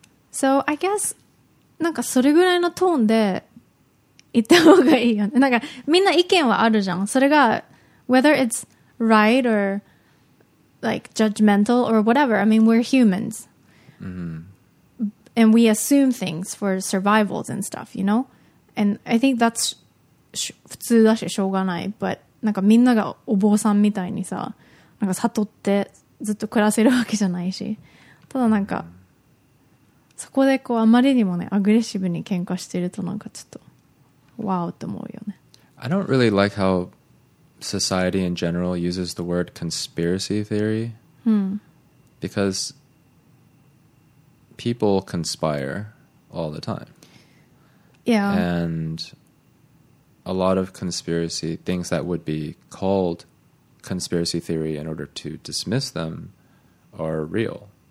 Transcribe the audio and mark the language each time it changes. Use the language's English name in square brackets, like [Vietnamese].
[English] So I guess, like, [Japanese] それぐらいのトーンで言った方がいいよね。なんかみんな意見はあるじゃん。 [English] それが、whether it's right or, like, judgmental or whatever. I mean, we're humans. Mm-hmm. And we assume things for survivals and stuff, you know? And I think that's... [Japanese] 普通だししょうがない but なんかみんながお坊さんみたいにさなんか悟ってずっと暮らせるわけじゃないしただなんかそこでこうあまりにもねアグレッシブに喧嘩してるとなんかちょっとワーって思うよね [English] I don't really like how society in general uses the word conspiracy theory、 hmm. because people conspire all the time yeah andA lot of conspiracy things that would be called conspiracy theory in order to dismiss them are real.